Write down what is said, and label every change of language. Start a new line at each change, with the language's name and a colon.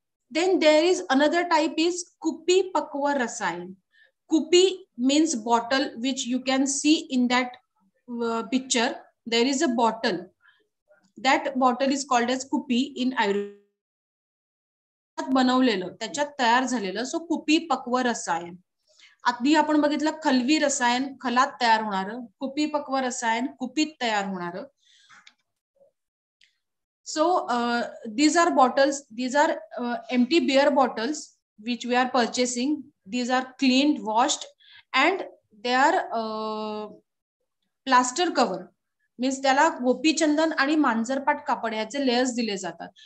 English: Then there is another type is kupi pakva rasayan. Kupi means bottle, which you can see in that picture. There is a bottle. That bottle is called as kupi in Ayurveda.
Marathi: Banavlelo, tyachyat tayar zalelo.
English: So kupi pakva rasayan.
Marathi: आधी आपण बघितलं खलवी रसायन खलात तयार होणार, कुपी पक्व रसायन कुपीत तयार होणार.
English: So these are bottles, these are empty beer bottles which we are purchasing. These are cleaned washed and they are plaster cover, means
Marathi: त्याला गोपीचंदन आणि मांजरपाट कापड्याचे लेअर्स दिले जातात.